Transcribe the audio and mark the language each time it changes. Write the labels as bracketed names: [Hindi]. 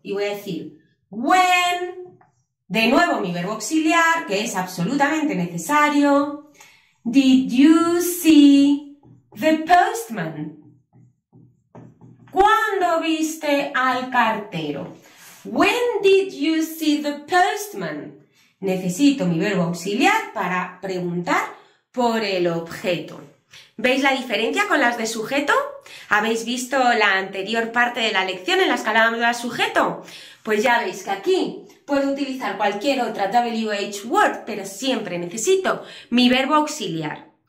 [Spanish] Y voy a decir when, de nuevo mi verbo auxiliar, que es absolutamente necesario, [English] did you see the postman? [Spanish] ¿Cuándo viste al cartero? [English] When did you see the postman? [Spanish] Necesito mi verbo auxiliar para preguntar por el objeto. ¿Veis la diferencia con las de sujeto? ¿Habéis visto la anterior parte de la lección en la que hablábamos de sujeto? Pues ya veis que aquí puedo utilizar cualquier otra WH word, pero siempre necesito mi verbo auxiliar.